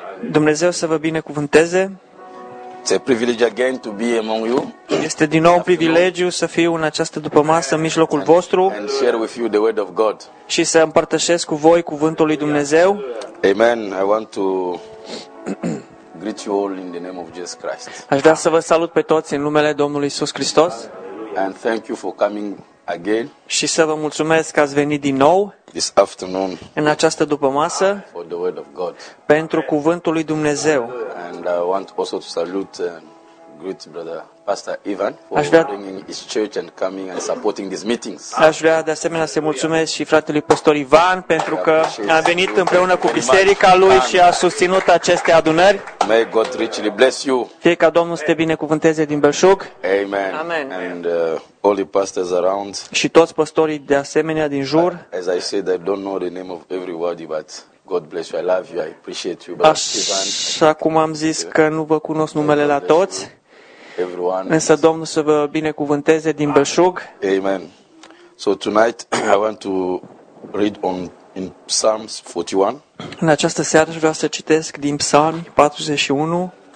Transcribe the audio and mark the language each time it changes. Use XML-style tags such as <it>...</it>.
<ro>Dumnezeu să vă binecuvânteze.</ro> <en>It's a privilege again to be among you.</en> <ro>Este din nou un privilegiu să fiu în această dupămasă în mijlocul vostru.</ro> <en>And share with you the word of God.</en> <ro>Și să împărtășesc cu voi cuvântul lui Dumnezeu.</ro> <en>Amen. I want to greet you all in the name of Jesus Christ.</en> <ro>Aș vrea să vă salut pe toți în numele Domnului Iisus Hristos.</ro> <en>And thank you for coming again.</en> <ro>Și să vă mulțumesc că ați venit din nou.</ro> <en>This afternoon.</en> <ro>În această dupămasă.</ro> <en>For the word of God.</en> <ro>Pentru cuvântul lui Dumnezeu.</ro> <en>And I want also to salute and greet brother Pastor Ivan for bringing his church and coming and supporting these meetings.</en> <ro>Aș vrea de asemenea să mulțumesc și fratelui pastor Ivan pentru că a venit împreună cu biserica lui și a susținut aceste adunări.</ro> <en>May God richly bless you.</en> <ro>Fie ca Domnul să te binecuvânteze din belșug.</ro> <en>Amen.</en> <ro>Amen.</ro> <en>And all the pastors around.</en> <ro>Și toți pastorii de asemenea din jur.</ro> <en>As I said, I don't know the name of everybody, but God bless you. I love you. I appreciate you.</en> <ro>Așa cum am zis că nu vă cunosc numele la toți.</ro> <en>Everyone.</en> <ro>Însă Domnul să vă binecuvânteze din belșug.</ro> <en>Amen. So tonight I want to read on in Psalms 41.</en> <ro>În această seară vreau să citesc din Psalmi 41.</ro>